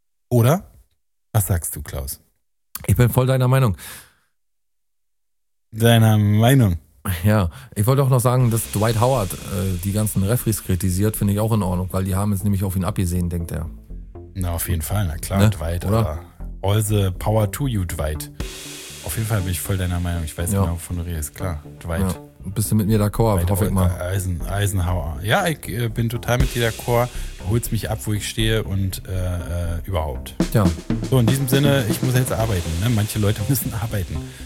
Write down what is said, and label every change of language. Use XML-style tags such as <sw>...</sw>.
<de>Oder? Was sagst du, Klaus? Ich bin voll deiner Meinung. Deiner Meinung? Ja, ich wollte auch noch sagen, dass Dwight Howard die ganzen Referees kritisiert, finde ich auch in Ordnung, weil die haben jetzt nämlich auf ihn abgesehen, denkt er. Na, auf jeden Fall, na klar, ne? Dwight, oder? Aber</de> <en>all the power to you, Dwight.</en> <de>Auf jeden Fall bin ich voll deiner Meinung, ich weiß ja. Genau, von Ries, klar, Dwight. Ja. Bist du mit mir d'accord, hoffe ich mal. Eisenhower. Ja, ich bin total mit dir d'accord. Holst mich ab, wo ich stehe und überhaupt. Ja. So, in diesem Sinne, ich muss jetzt arbeiten. Ne? Manche Leute müssen arbeiten.</de>